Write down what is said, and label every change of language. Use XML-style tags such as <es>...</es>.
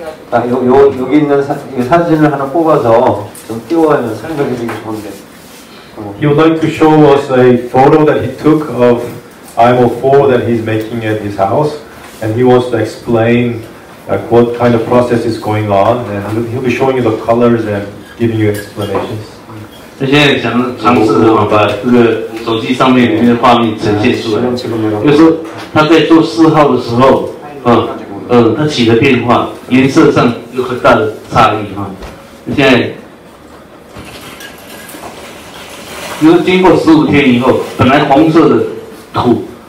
<ko>아, 여기 있는 사진을 하나 뽑아서 좀 띄워가면 설명해 주기 좋은데.</ko> <en>He'd like to show us a photo that he took of IMO4 that he's making at his house, and he wants to explain what kind of process is going on, and he'll be showing you the colors and giving you explanations.</en> <zh>现在想尝试把这个手机上面的画面呈现出来，就是它在做四号的时候，它起了变化，颜色上有很大的差异哈。现在，比如经过15天以后，本来红色的土。</zh>